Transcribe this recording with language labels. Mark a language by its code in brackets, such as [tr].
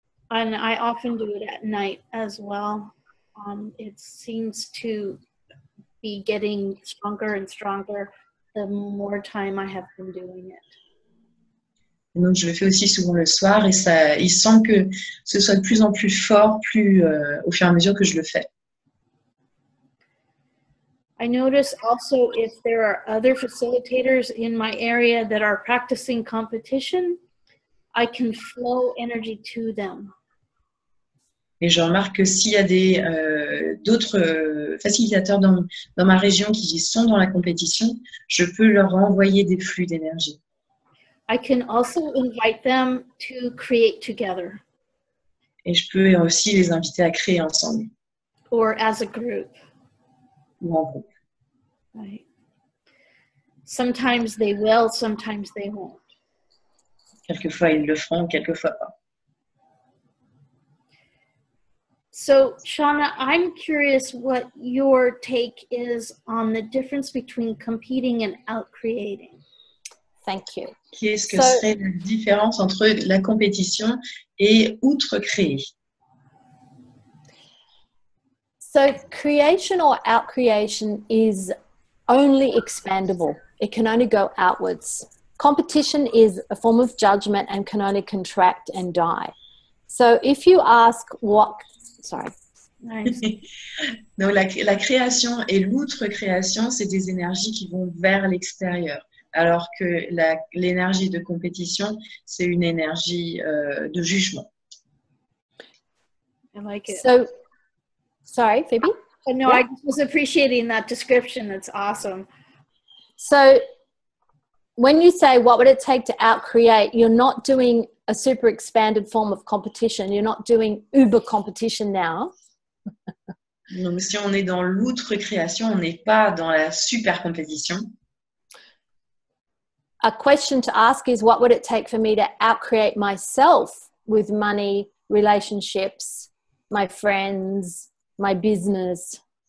[en] And I often do it at night as well. It seems to be getting stronger and stronger the more time I have been doing it. [fr] Donc je le fais aussi souvent le soir, et ça, il semble que ce soit de plus en plus fort, plus au fur et à mesure que je le fais. [en] I notice also if there are other facilitators in my area that are practicing competition, I can flow energy to them. [fr] Et je remarque que s'il y a d'autres facilitateurs dans ma région qui sont dans la compétition, je peux leur envoyer des flux d'énergie. [en] I can also invite them to create together. [fr] Et je peux aussi les inviter à créer ensemble. [en] Or as a group. [fr] Ou en groupe. [en] Right. Sometimes they will, sometimes they won't. [fr] Quelquefois ils le feront, quelquefois pas. [en] So, Shauna, I'm curious what your take is on the difference between competing and out-creating. Thank you. [fr] Qu'est-ce que serait la différence entre la compétition et outre-créer? [en] So, creation or out-creation is only expandable. It can only go outwards. Competition is a form of judgment and can only contract and die. So if you ask what... Sorry. [fr] Donc la création et l'outre-création, c'est des énergies qui vont vers l'extérieur. Alors que l'énergie de compétition, c'est une énergie de jugement. [en] I like it. So, sorry, Phoebe? But no, yeah. I was appreciating that description. That's awesome. So when you say, what would it take to out-create, you're not doing a super expanded form of competition. You're not doing uber competition now. [fr] Donc, si on est dans l'outre-création, on n'est pas dans la super compétition. [en] A question to ask is, what would it take for me to out-create myself with money, relationships, my friends, my business?